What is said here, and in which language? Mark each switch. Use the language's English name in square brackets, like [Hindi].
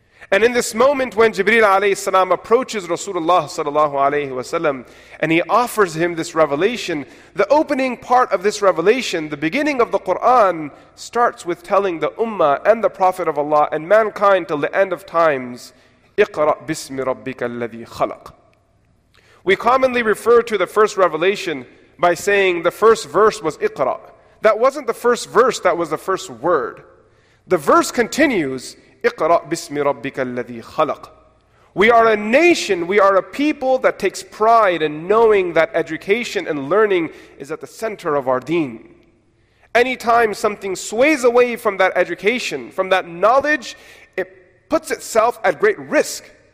[English] And in this moment when Jibreel alayhi salam approaches Rasulullah sallallahu alayhi wasallam and he offers him this revelation, the opening part of this revelation, the beginning of the Quran, starts with telling the ummah and the Prophet of Allah and mankind till the end of times, [Arabic] اقرأ بسم ربك الذي خلق. [English] We commonly refer to the first revelation by saying the first verse was اقرأ. That wasn't the first verse, that was the first word. The verse continues, [Arabic] اقرأ بسم ربك الذي خلق. [English] We are a nation, we are a people that takes pride in knowing that education and learning is at the center of our deen. Anytime something sways away from that education, from that knowledge, it puts itself at great risk.